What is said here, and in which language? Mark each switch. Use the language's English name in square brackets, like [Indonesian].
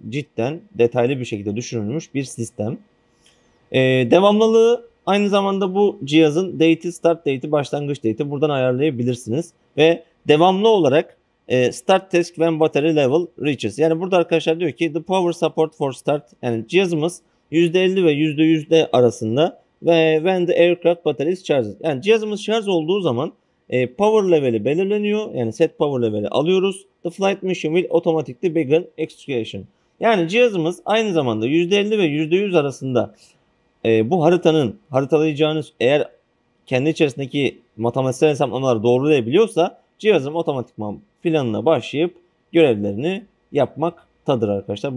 [Turkish] Cidden detaylı bir şekilde düşünülmüş bir sistem. Devamlılığı aynı zamanda bu cihazın date, start date, başlangıç date buradan ayarlayabilirsiniz. Ve devamlı olarak [English] start task when battery level reaches. [Turkish] Yani burada arkadaşlar diyor ki [English] the power support for start. [Turkish] Yani cihazımız %50 ve %100 arasında. [English] Ve when the aircraft battery is charged. [Turkish] Yani cihazımız şarj olduğu zaman power level'i belirleniyor. Yani [English] set power level'i [Turkish] alıyoruz. [English] The flight mission will automatically begin execution. [Turkish] Yani cihazımız aynı zamanda %50 ve %100 arasında bu haritanın, haritalayacağınız, eğer kendi içerisindeki matematiksel hesaplamaları doğrulayabiliyorsa cihazım otomatikman planına başlayıp görevlerini yapmaktadır arkadaşlar.